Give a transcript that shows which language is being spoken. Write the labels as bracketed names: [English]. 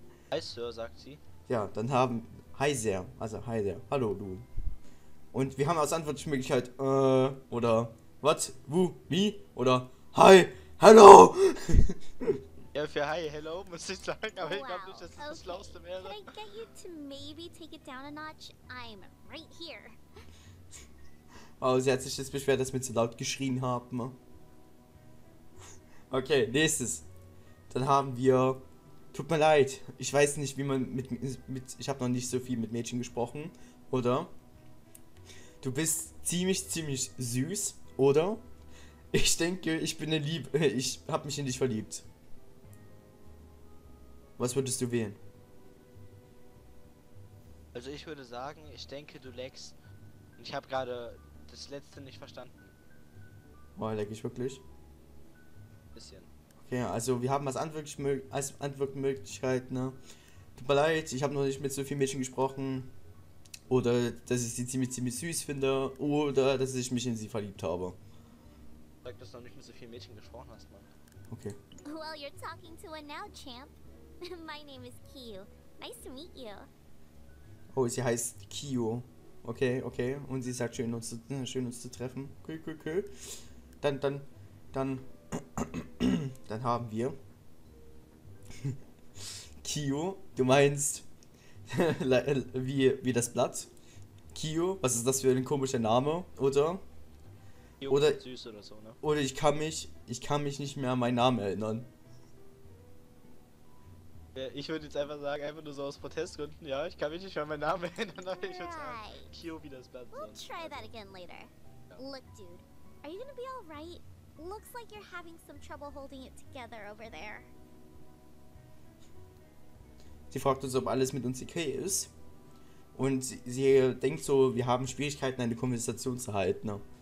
[German] Hi Sir, sagt sie. Ja, dann haben Hi Sir. Also Hi Sir. Hallo du. Und wir haben als Antwortmöglichkeit oder What? Wo? Wie? Oder Hi! Hallo! Ja, für Hi, Hello, muss ich sagen, aber wow. Ich glaube nicht, dass das okay. Schlauste wäre. [English] Can I get you to maybe take it down a notch? I'm right here. [German] Oh, sie hat sich jetzt beschwert, dass wir zu laut geschrien haben. Okay, nächstes. Dann haben wir... Tut mir leid, ich weiß nicht, wie man mit ich habe noch nicht so viel mit Mädchen gesprochen, oder? Du bist ziemlich süß, oder? Ich denke, ich bin eine Liebe, ich habe mich in dich verliebt. Was würdest du wählen? Also ich würde sagen, ich denke, du leckst. Ich habe gerade das letzte nicht verstanden. Oh, leck ich wirklich? Bisschen. Okay, also wir haben als Antwortmöglichkeit, ne? Tut mir leid, ich habe noch nicht mit so vielen Mädchen gesprochen. Oder, dass ich sie ziemlich süß finde. Oder, dass ich mich in sie verliebt habe. Sag, dass du noch nicht mit so vielen Mädchen gesprochen hast, Mann. Okay. [English] Well, you're talking to one now, champ. My name is Kyo. Nice to meet you. [German] Oh, sie heißt Kyo. Okay. Und sie sagt, schön uns zu treffen. Cool. Dann haben wir... Kyo, du meinst... wie das Blatt? Kyo, was ist das für ein komischer Name, oder? Oder süß oder so, ne? Oder ich kann mich nicht mehr an meinen Namen erinnern. Ich würde jetzt einfach sagen, einfach nur so aus Protestgründen, ja, ich kann mich nicht mehr an meinen Namen erinnern, aber ich würde sagen, Kyo wie das Blatt. [English] We'll try that again later. Ja. Look, dude, are you gonna be alright? Looks like you're having some trouble holding it together over there. [German] Sie fragt uns, ob alles mit uns okay ist. Und sie denkt so, wir haben Schwierigkeiten, eine Konversation zu halten, ne?